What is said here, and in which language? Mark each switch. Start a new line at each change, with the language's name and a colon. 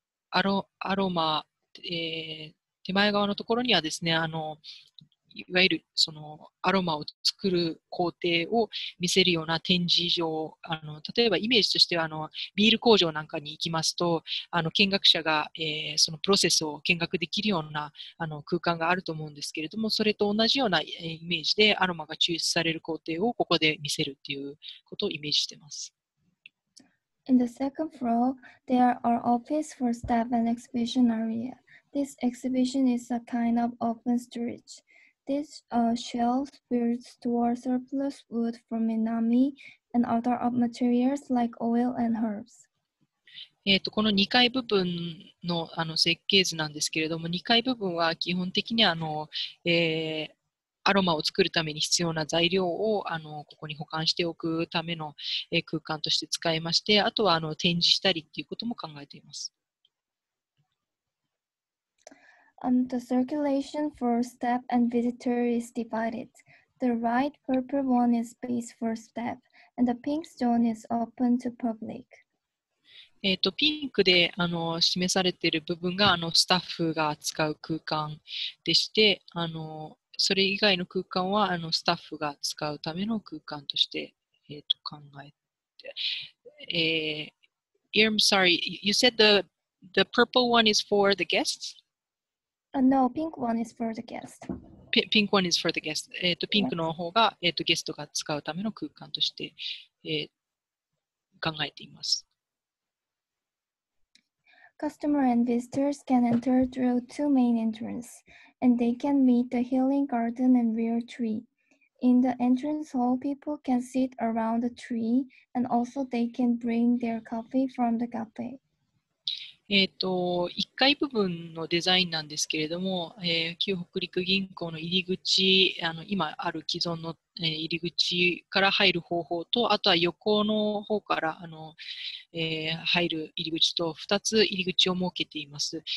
Japanese: アロマ、手前側のところにはですね、あのいわゆるそのアロマを作る工程を見せるような展示場、あの例えばイメージとしてはあのビール工場なんかに行きますと、あの見学者が、そのプロセスを見学できるようなあの空間があると思うんですけれども、それと同じようなイメージでアロマが抽出される工程をここで見せるということをイメージしています。
English: In the second floor, there are office for staff and exhibition area. This exhibition is a kind of open storage. These shelves will store surplus wood from inami and other materials like oil and herbs.
Japanese: この2階部分 の, あの設計図なんですけれども、2階部分は基本的にあの、アロマを作るために必要な材料をあのここに保管しておくための、空間として使いまして、あとはあの展示したりということも考えています。
English: The circulation for staff and visitor is divided. The right purple one is space for staff, and the pink zone is open to public.
Japanese: ピンクであの示されている部分があのスタッフが使う空間でして、あのそれ以外の空間はあのスタッフが使うための空間として、考えて。
English: I'm sorry, you said the purple one is for the guests? No, pink one is for the guest. Pink one is for the guest.
Japanese: ピンクの方が、ゲストが使うための空間として、考えています。
English: Customer and visitors can enter through two main entrances, and they can meet the healing garden and real tree. In the entrance hall, people can sit around the tree, and also they can bring their coffee from the cafe.
Japanese: 1階部分のデザインなんですけれども、旧北陸銀行の入り口、今ある既存の入り口から入る方法と、あとは横の方から入る入り口と2つ入り口を設けています。